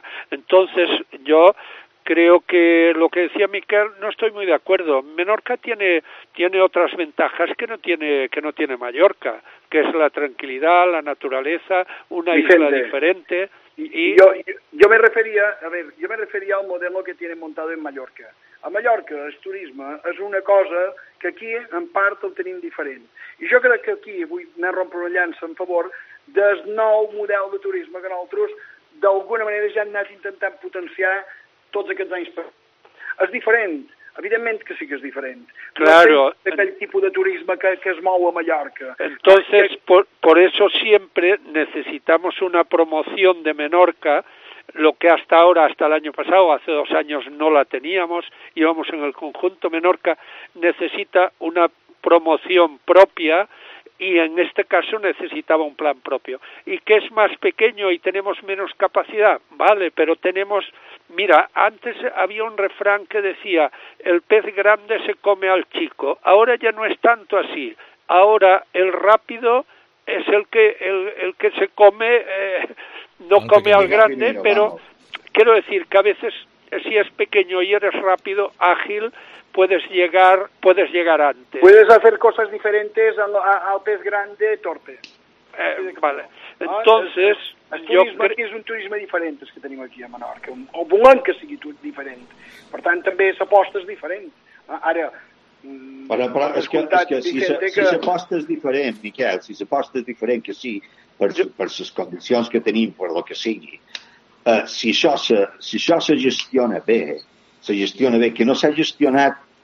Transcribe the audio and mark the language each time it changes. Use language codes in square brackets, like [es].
[es] Entonces yo creo que lo que decía Miquel, no estoy muy de acuerdo. Menorca tiene otras ventajas que no tiene Mallorca, que es la tranquilidad, la naturaleza, una isla diferente. Y yo me refería al modelo que tienen montado en Mallorca. [ca] A Mallorca el turisme és una cosa que aquí en part el tenim diferent. I jo crec que aquí vull anar a rompre una llança en favor del nou model de turisme que nosaltres d'alguna manera ja hem anat intentant potenciar tots aquests anys. És diferent, evidentment que sí que és diferent. [es] Claro. [ca] No és aquell tipus de turisme que es mou a Mallorca. [es] Entonces, por eso siempre necesitamos una promoción de Menorca. Lo que hasta ahora, hasta el año pasado, hace 2 años no la teníamos, íbamos en el conjunto Menorca, necesita una promoción propia y en este caso necesitaba un plan propio. ¿Y qué es más pequeño y tenemos menos capacidad? Vale, pero tenemos... Mira, antes había un refrán que decía, el pez grande se come al chico. Ahora ya no es tanto así. Ahora el rápido es el que se come... No come al grande, pero quiero decir que a veces, si es pequeño y eres rápido, ágil, puedes llegar antes. Puedes hacer cosas diferentes al pez grande, torpe. Vale. Entonces, aquí es un turismo diferente que tenemos aquí a Menorca. [ca] O volem que sigui diferent. Per tant, també s'aposta és diferent. Ara... Però és que si s'aposta és diferent, Miquel, que sí, per les condicions que tenim, per el que sigui, si això se gestiona bé, que no s'ha gestionat...